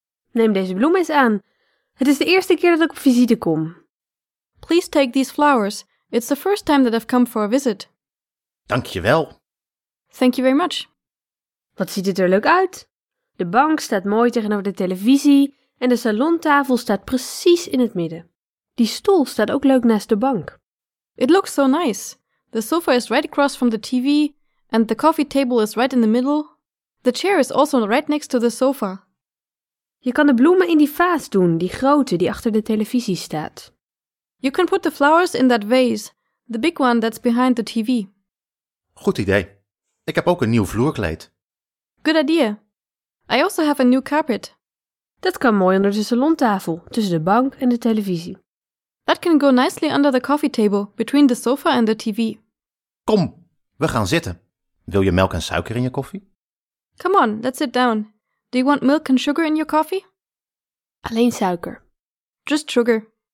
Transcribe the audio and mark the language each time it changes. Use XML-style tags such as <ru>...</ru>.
<nl>Neem deze bloem eens aan. Het is de eerste keer dat ik op visite kom.</nl> <en>Please take these flowers. It's the first time that I've come for a visit.</en> <nl>Dank je wel.</nl> <en>Thank you very much.</en> <nl>Wat ziet het er leuk uit? De bank staat mooi tegenover de televisie en de salontafel staat precies in het midden. Die stoel staat ook leuk naast de bank.</nl> <en>It looks so nice. The sofa is right across from the TV and the coffee table is right in the middle. The chair is also right next to the sofa.</en> <nl>Je kan de bloemen in die vaas doen, die grote die achter de televisie staat.</nl> <en>You can put the flowers in that vase, the big one that's behind the TV.</en> <nl>Goed idee. Ik heb ook een nieuw vloerkleed.</nl> <en>Good idea. I also have a new carpet.</en> <nl>Dat kan mooi onder de salontafel, tussen de bank en de televisie.</nl> <en>That can go nicely under the coffee table, between the sofa and the TV.</en> <nl>Kom, we gaan zitten. Wil je melk en suiker in je koffie?</nl> <en>Come on, let's sit down. Do you want milk and sugar in your coffee?</en> <nl>Alleen suiker.</nl> <en>Just sugar.</en>